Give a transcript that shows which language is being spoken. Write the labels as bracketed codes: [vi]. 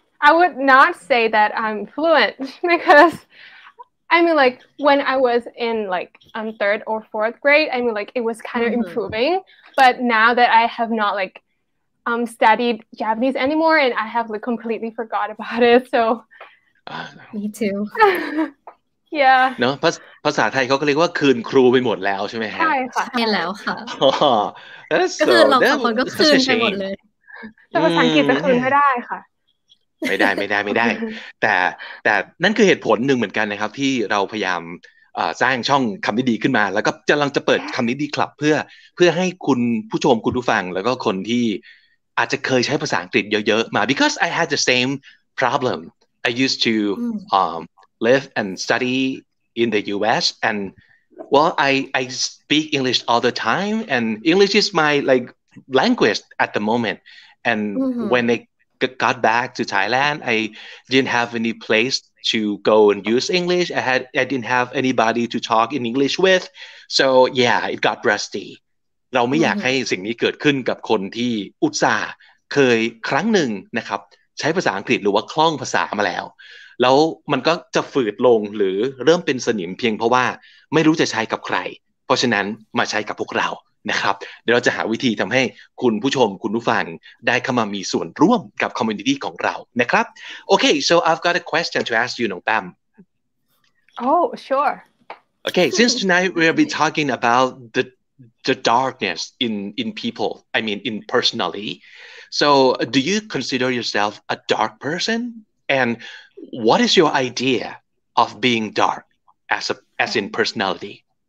[en] I would not say that I'm fluent because, I mean, like, when I was in, like, third or fourth grade, I mean, like, it was kind of improving. But now that I have not, like, studied Japanese anymore, and I have like completely forgot about it. So, me too. Yeah. [th] No, ภาษาไทยเขาก็เรียกว่าคืนครูไปหมดแล้วใช่ไหม ใช่ค่ะ ใช่แล้วค่ะ ก็คือ เราคนก็คืนไปหมดเลย แต่ภาษาอังกฤษจะคืนไม่ได้ค่ะ ไม่ได้แต่นั่นคือเหตุผลหนึ่งเหมือนกันนะครับที่เราพยายามสร้างช่องคำนิดีขึ้นมาแล้วก็กำลังจะเปิดคำนิดีคลับเพื่อให้คุณผู้ชมคุณผู้ฟังแล้วก็คนที่อาจจะเคยใช้ภาษาอังกฤษเยอะๆมา [en] because I had the same problem I used to live and study in the U.S. and well I speak English all the time and English is my like language at the moment and when I got back to Thailand I didn't have any placeto go and use English. I didn't have anybody to talk in English with. So yeah, it got rusty. [th] เราไม่อยากให้สิ่งนี้เกิดขึ้นกับคนที่อุตส่าห์เคยครั้งหนึ่งนะครับใช้ภาษาอังกฤษหรือว่าคล่องภาษามาแล้วแล้วมันก็จะฝืดลงหรือเริ่มเป็นสนิมเพียงเพราะว่าไม่รู้จะใช้กับใครเพราะฉะนั้นมาใช้กับพวกเรานะครับเดี๋ยวเราจะหาวิธีทำให้คุณผู้ชมคุณผู้ฟังได้เข้ามามีส่วนร่วมกับคอมมูนิตี้ของเรานะครับโอเค [en] so I've got a question to ask you Nong Bam oh sure okay since tonight we'll be talking about the darkness in people I mean in personally so do you consider yourself a dark person and what is your idea of being dark as in personality